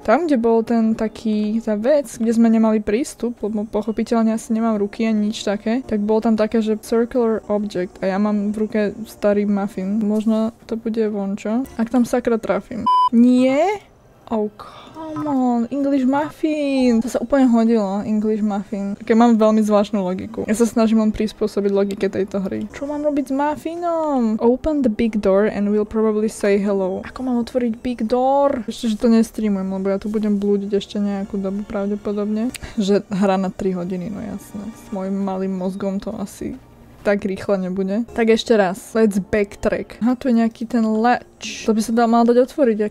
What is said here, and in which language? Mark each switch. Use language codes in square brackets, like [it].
[sk] Tam, kde bol ten taký, tá vec, kde sme nemali prístup, lebo pochopiteľne asi nemám ruky ani nič také, tak bolo tam také, že [en] circular object. [sk] A ja mám v ruke starý muffin. Možno to bude von, čo? Ak tam sakra trafím. Nie? Ok. [en] Come on, English muffin. [sk] To sa úplne hodilo, English muffin. Také mám veľmi zvláštnu logiku. Ja sa snažím len prispôsobiť logike tejto hry. Čo mám robiť s muffinom? [en] Open the big door and we'll probably say hello. [sk] Ako mám otvoriť big door? Ešte, že to nestreamujem, lebo ja tu budem blúdiť ešte nejakú dobu pravdepodobne. Že hra na 3 hodiny, no jasné. S môjim malým mozgom to asi tak rýchle nebude. Tak ešte raz. [en] Let's backtrack. [sk] Aha, tu je nejaký ten latch. To by sa mal dať otvoriť.